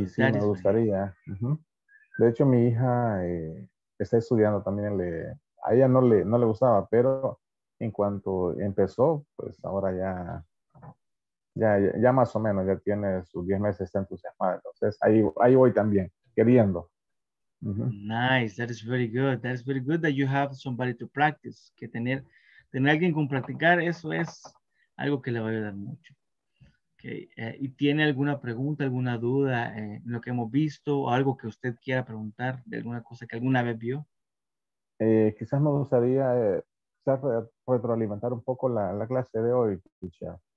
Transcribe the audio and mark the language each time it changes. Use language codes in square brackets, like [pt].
[es] Y sí, me gustaría. Uh-huh. De hecho, mi hija está estudiando también. A ella no le gustaba, pero en cuanto empezó, pues ahora ya más o menos, ya tiene sus 10 meses, está entusiasmada. Entonces, ahí voy también, queriendo. [en] Mm-hmm. Nice, that is very good. That is very good that you have somebody to practice. [es] Que tener alguien con practicar, eso es algo que le va a ayudar mucho. Okay. Y tiene alguna pregunta, alguna duda en lo que hemos visto, o algo que usted quiera preguntar de alguna cosa que alguna vez vio. Quizás me gustaría retroalimentar un poco la clase de hoy, Tisha.